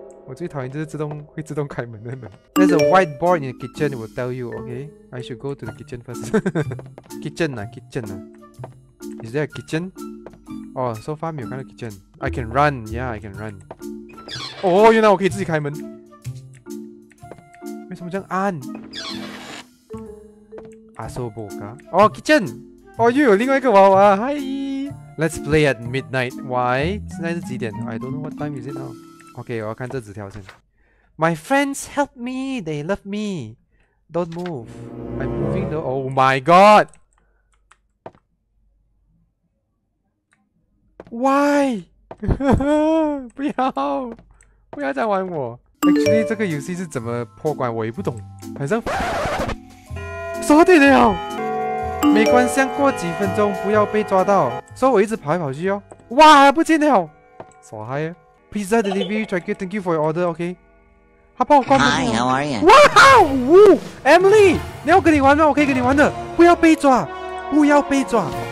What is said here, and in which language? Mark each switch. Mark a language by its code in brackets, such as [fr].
[zh] 我最讨厌就是自动开门的门。 [en] There's a whiteboard in the kitchen. It will tell you, okay? I should go to the kitchen first. kitchen. Is there a kitchen? Oh, so far [zh] 没有看到 [en] kitchen. I can run. Yeah, I can run. Oh, [zh] 原来我可以自己开门。为什么这样按 [en] ？Asoboka. Oh, kitchen. Oh, [zh] 又有另外一个娃娃。 [en] Hi. Let's play at midnight. Why? [zh] 现在是几点 [en] ？I don't know what time is it now. Okay, [zh] 我要看这纸条先. [en] My friends help me. They love me. Don't move. I'm moving the. Oh my god. Why? [zh] 不要再玩我. [en] Actually, [zh] 这个游戏是怎么破关，我也不懂。反正 锁定了，没关系，过几分钟不要被抓到. 所以我一直跑来跑去哦。哇，不见了，耍嗨。 [en] Pizza delivery, thank you for your order, okay? Hi, how are you? Wow! Emily! [zh] 你要跟你玩吗？我可以跟你玩的，不要被抓！不要被抓！